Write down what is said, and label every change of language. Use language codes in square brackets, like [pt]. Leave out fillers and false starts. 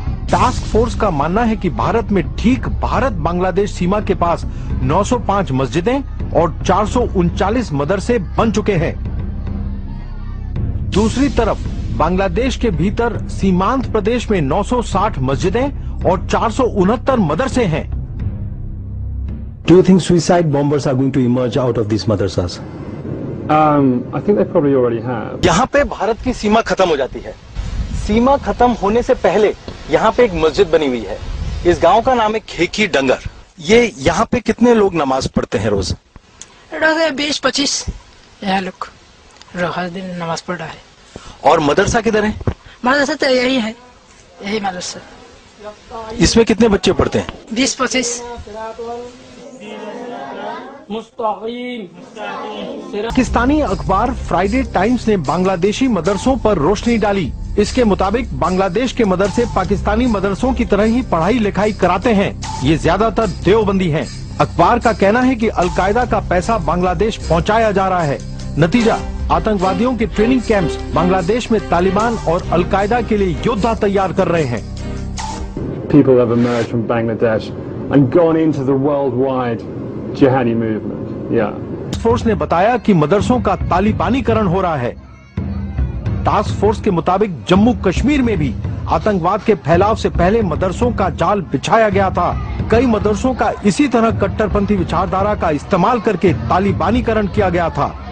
[hi] Task force का मानना है कि भारत में ठीक भारत बांग्लादेश सीमा के पास 905 मस्जिदें और 439 मदरसे बन चुके हैं। दूसरी तरफ बांग्लादेश के भीतर सीमांत प्रदेश में 960 मस्जिदें और 469 मदरसे हैं। [en] Do you think suicide bombers are going to emerge out of these madrasas? I think they probably already have. [hi] यहाँ पे भारत की सीमा खत्म हो जाती है। सीमा खत्म होने से पहले यहाँ पे एक मस्जिद बनी हुई है। इस गांव का नाम है खेकी डंगर। ये यहाँ पे कितने लोग नमाज पढ़ते हैं रोज? 20-25 यहाँ लोग हर दिन नमाज पढ़ रहा है। और मदरसा किधर है? मदरसा तो यही है, यही मदरसा। इसमें कितने बच्चे पढ़ते हैं? 20-25। पाकिस्तानी अखबार फ्राइडे टाइम्स ने बांग्लादेशी मदरसों पर रोशनी डाली। इसके मुताबिक बांग्लादेश के मदरसे पाकिस्तानी मदरसों की तरह ही पढ़ाई लिखाई कराते हैं। ये ज्यादातर देवबंदी हैं। अखबार का कहना है कि अलकायदा का पैसा बांग्लादेश पहुंचाया जा रहा है। नतीजा, आतंकवादियों के ट्रेनिंग कैंप्स बांग्लादेश में तालिबान और अलकायदा के लिए योद्धा तैयार कर रहे हैं। [en] People have emerged from Bangladesh and gone into the worldwide jihadi movement. Yeah. [hi] Task force ने बताया कि मदरसों का तालिबानीकरण हो रहा है। टास्क फोर्स के मुताबिक जम्मू कश्मीर में भी आतंकवाद के फैलाव से पहले मदरसों का जाल बिछाया गया था। कई मदरसों का इसी तरह कट्टरपंथी विचारधारा का इस्तेमाल करके तालिबानीकरण किया गया था।